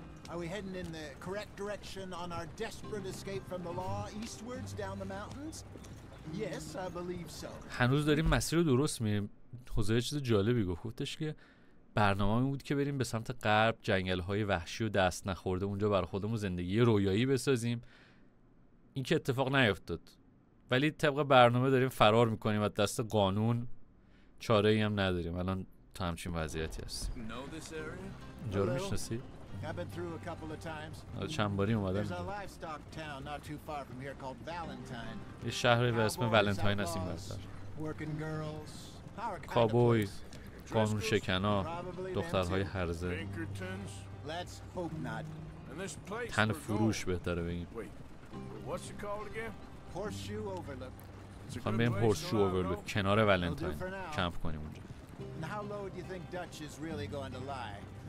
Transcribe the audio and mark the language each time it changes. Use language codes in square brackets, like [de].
[en] Are we heading in the correct direction on our desperate escape from the law eastwards down the mountains? Yes, I believe so. [fa] هنوز داریم مسیر رو درست میریم. حوزه چیز جالبی گفتش که برنامه‌ام بود که بریم به سمت غرب، جنگل‌های وحشی و دست نخورده، اونجا برای خودمون زندگی رویایی بسازیم. این که اتفاق نیفتاد. ولی طبق برنامه داریم فرار می‌کنیم و دست قانون چاره‌ای هم نداریم. الان تو همچین وضعیتی هستیم. اینجا رو می‌شناسی؟ [en] I've been through a couple of times. There's a livestock town not too far from here called Valentine. [fa] یه شهری به اسم ولنتاین هست این وسط. [en] Working girls, cowboys, [fa] قانون شکنا، دخترهای هرزه. [en] Let's hope not. [fa] تن فروش بهتره بگیم. [en] What's it called again? Horseshoe Overlook. [fa] خواهم بگیم Horseshoe Overlook، کنار ولنتاین کمپ کنیم اونجا. [en] And how low do you think Dutch is really going to lie?